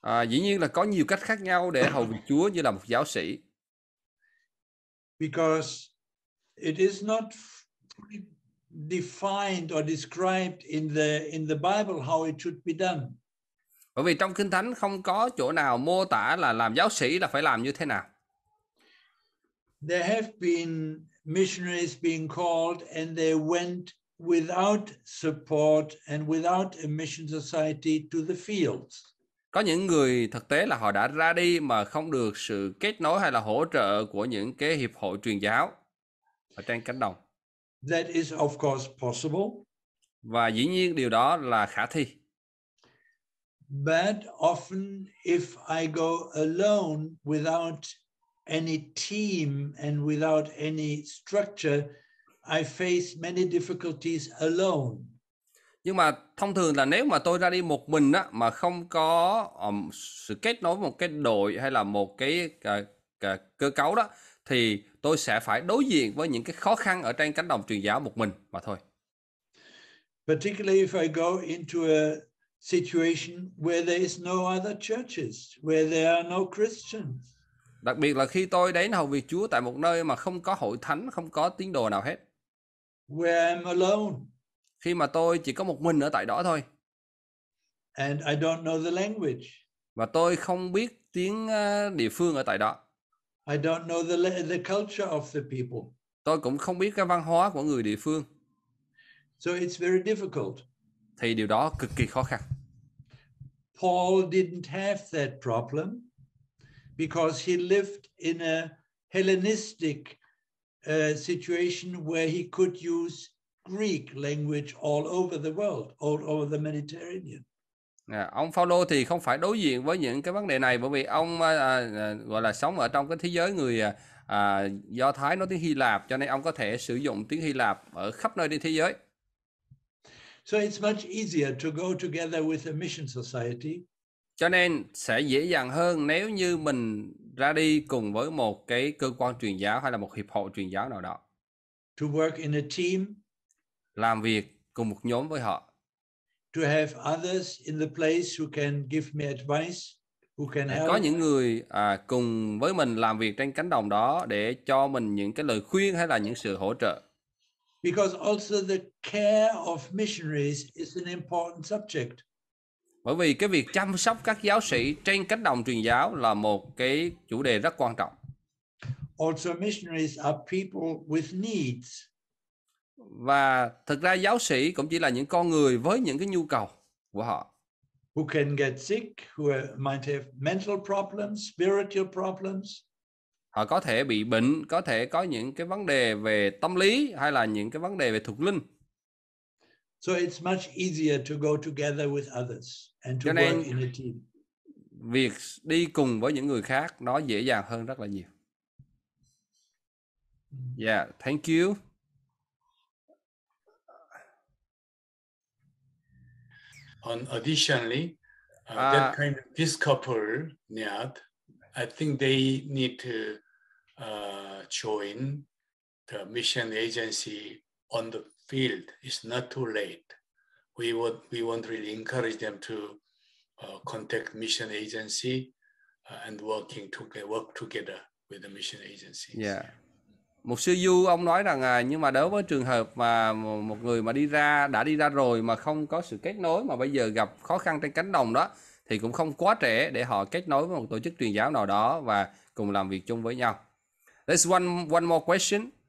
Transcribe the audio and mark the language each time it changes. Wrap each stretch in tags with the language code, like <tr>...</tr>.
<vi>Dĩ nhiên là có nhiều cách khác nhau để hầu việc Chúa như là một giáo sĩ.</vi> <en>Because it is not defined or described in the Bible how it should be done.</en> <vi>Bởi vì trong Kinh Thánh không có chỗ nào mô tả là làm giáo sĩ là phải làm như thế nào.</vi> <en>There have been missionaries being called and they went without support and without a mission society to the fields.</en> <vi>Có những người thực tế là họ đã ra đi mà không được sự kết nối hay là hỗ trợ của những cái hiệp hội truyền giáo ở trên cánh đồng.</vi> <en>That is of course possible.</en> <vi>Và dĩ nhiên điều đó là khả thi.</vi> <en>But often if I go alone without any team and without any structure, I face many difficulties alone.</en> <vi>Nhưng mà thông thường là nếu mà tôi ra đi một mình á, mà không có sự kết nối một cái đội hay là một cái cơ cấu đó, thì tôi sẽ phải đối diện với những cái khó khăn ở trên cánh đồng truyền giáo một mình mà thôi.</vi> <en>Particularly if I go into a situation where there is no other churches, where there are no Christians.</en> <vi>Đặc biệt là khi tôi đến hầu việc Chúa tại một nơi mà không có hội thánh, không có tín đồ nào hết.</vi> <en>Where I'm alone.</en> <vi>Khi mà tôi chỉ có một mình ở tại đó thôi.</vi> <en>And I don't know the language.</en> <vi>Và tôi không biết tiếng địa phương ở tại đó.</vi> <en>I don't know the culture of the people.</en> <vi>Tôi cũng không biết cái văn hóa của người địa phương.</vi> <en>So it's very difficult.</en> <vi>Thì điều đó cực kỳ khó khăn.</vi> <en>Paul didn't have that problem because he lived in a Hellenistic situation where he could use Greek language all over the world, all over the Mediterranean.</en> <vi>Ông Phaolô thì không phải đối diện với những cái vấn đề này bởi vì ông gọi là sống ở trong cái thế giới người Do Thái nói tiếng Hy Lạp, cho nên ông có thể sử dụng tiếng Hy Lạp ở khắp nơi trên thế giới.</vi> <en>So it's much easier to go together with a mission society.</en> <vi>Cho nên sẽ dễ dàng hơn nếu như mình ra đi cùng với một cái cơ quan truyền giáo hay là một hiệp hội truyền giáo nào đó.</vi> <en>To work in a team.</en> <vi>Làm việc cùng một nhóm với họ.</vi> <en>To have others in the place who can give me advice, who can help.</en> <vi>Có những người cùng với mình làm việc trên cánh đồng đó để cho mình những cái lời khuyên hay là những sự hỗ trợ.</vi> <en>Because also the care of missionaries is an important subject.</en> <vi>Bởi vì cái việc chăm sóc các giáo sĩ trên cánh đồng truyền giáo là một cái chủ đề rất quan trọng.</vi> <en>Also missionaries are people with needs.</en> <vi>Và thực ra giáo sĩ cũng chỉ là những con người với những cái nhu cầu của họ.</vi> <en>Who can get sick, who might have mental problems, spiritual problems.</en> <vi>Họ có thể bị bệnh, có thể có những cái vấn đề về tâm lý hay là những cái vấn đề về thuộc linh.</vi> <en>So it's much easier to go together with others and to work in a team.</en> <vi>Việc đi cùng với những người khác nó dễ dàng hơn rất là nhiều.</vi> <en>Yeah, thank you. On additionally, that kind of this couple, Nyad, I think they need to join the mission agency on the field. It's not too late. We won't really encourage them to contact mission agency and work together with the mission agency. Yeah.</en> <vi>Mục sư Du ông nói rằng nhưng mà đối với trường hợp mà một người mà đã đi ra rồi mà không có sự kết nối mà bây giờ gặp khó khăn trên cánh đồng đó thì cũng không quá trễ để họ kết nối với một tổ chức truyền giáo nào đó và cùng làm việc chung với nhau.</vi> <en>There's one more question.</en>